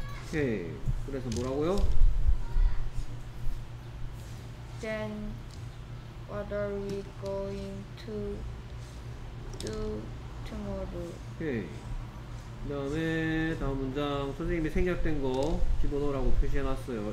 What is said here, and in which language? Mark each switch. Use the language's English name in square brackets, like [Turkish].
[Korean] 오케이 그래서 뭐라고요? [English] Then what are we going to do tomorrow? [Korean] 오케이. 그다음에 다음 문장 선생님이 생략된 거 집어넣으라고 표시해 놨어요.